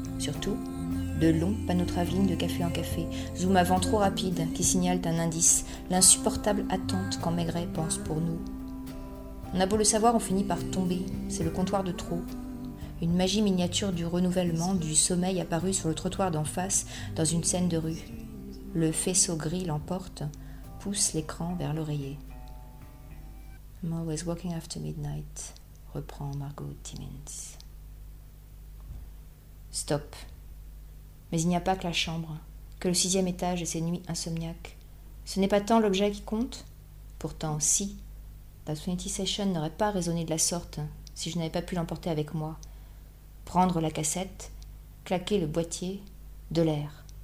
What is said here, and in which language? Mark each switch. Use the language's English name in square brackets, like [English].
[French] Surtout, de longs panneaux travelling de café en café, zoom avant trop rapide qui signalent un indice, l'insupportable attente quand Maigret pense pour nous. On a beau le savoir, on finit par tomber, c'est le comptoir de trop. Une magie miniature du renouvellement, du sommeil apparu sur le trottoir d'en face, dans une scène de rue. Le faisceau gris l'emporte, pousse l'écran vers l'oreiller. [English] I'm always walking after midnight, [French] reprend [English] Margot Timmins. Stop. [French] Mais il n'y a pas que la chambre, que le 6e étage et ses nuits insomniaques. Ce n'est pas tant l'objet qui compte. Pourtant, si. La Trinity Session n'aurait pas résonné de la sorte si je n'avais pas pu l'emporter avec moi. Prendre la cassette, claquer le boîtier, de l'air.